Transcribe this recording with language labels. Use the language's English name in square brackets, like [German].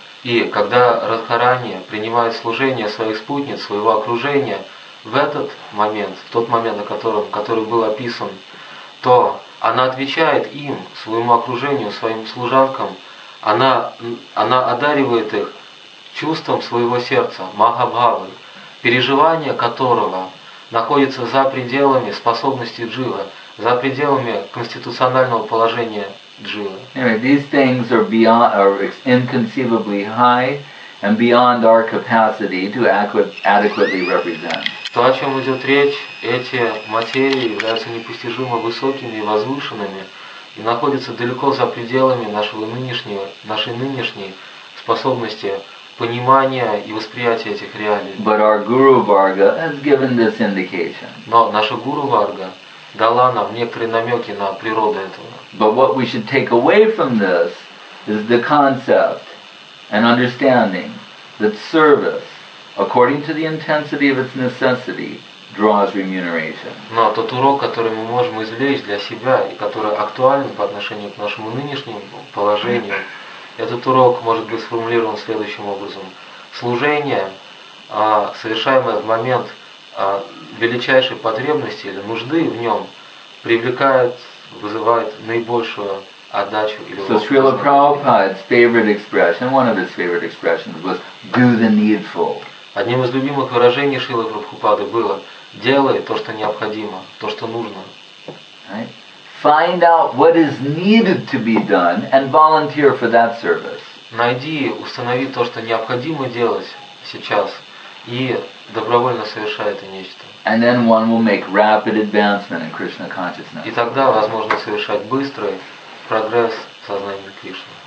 [Russian] И когда Радхарани принимает служение своих спутниц, своего окружения, в этот момент, в тот момент, о котором, который был описан, то она отвечает им, своему окружению, своим служанкам, она одаривает их чувством своего сердца, Махабхавы, переживание которого находится за пределами способности джива, за пределами конституционального положения джива. [English] Anyway, these things are beyond, are inconceivably high and beyond our capacity to adequately represent. [Russian] То, о чем идет речь, эти материи являются непостижимо высокими и возвышенными и находятся далеко за пределами нашего нынешнего, нашей нынешней способности понимания и восприятия этих реалий. [English] But our Guru Varga has given this indication. [Russian] Но наша Гуру Варга дала нам некоторые намеки на природу этого. [English] But what we should take away from this is the concept and understanding that service, according to the intensity of its necessity, draws remuneration. [Russian] Но тот урок, который мы можем извлечь для себя и который актуален по отношению к нашему нынешнему положению, этот урок может быть сформулирован следующим образом. Служение, совершаемое в момент величайшей потребности или нужды в нем, привлекает, вызывает наибольшую отдачу или [English] So Srila Prabhupada's favorite expression, one of his favorite expressions was do the needful. [Russian] Одним из любимых выражений Шрилы Прабхупады было делай то, что необходимо, то, что нужно. [English] Find out what is needed to be done and volunteer for that service. [Russian] Найди, установи то, что необходимо делать сейчас, и добровольно совершай это нечто. [English] And then one will make rapid advancement in Krishna consciousness. [Russian] И тогда возможно совершать быстрый прогресс в сознании Кришны.